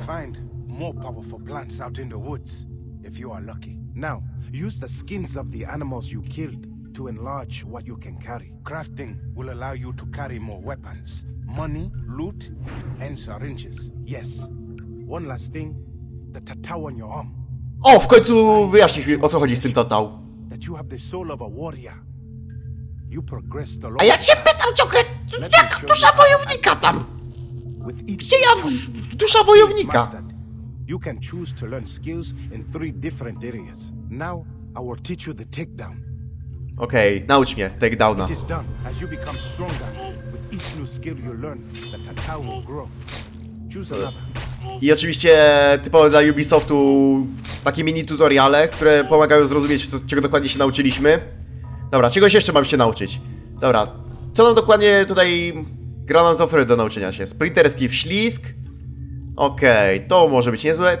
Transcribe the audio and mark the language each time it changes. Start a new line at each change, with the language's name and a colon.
English: Find more powerful plants out in the woods if you are lucky. Now, use the skins of the animals you killed to enlarge what you can carry. Crafting will allow you to carry more weapons, money, loot and syringes. Yes. One last thing, the tattoo on your arm.
Polish: O, w końcu wyjaśnisz mi, o co chodzi z tym tattoo.
English: That you have the soul of a warrior. You progress the law.
Polish: A ja cię pytam ciągle, jak dusza wojownika tam? Gdzie ja dusza wojownika?
English: You can choose to learn skills in three different areas. Now, I will teach you the takedown.
Polish: Okej, naucz mnie takedowna.
English: It is done. As you become stronger, with each new skill you learn, the tattoo will grow. Choose another.
Polish: I oczywiście typowe dla Ubisoftu takie mini tutoriale, które pomagają zrozumieć, czego dokładnie się nauczyliśmy. Dobra, czegoś jeszcze mam się nauczyć. Dobra, co nam dokładnie tutaj gra nam zaoferuje do nauczenia się? Sprinterski wślizg. Okej, to może być niezłe.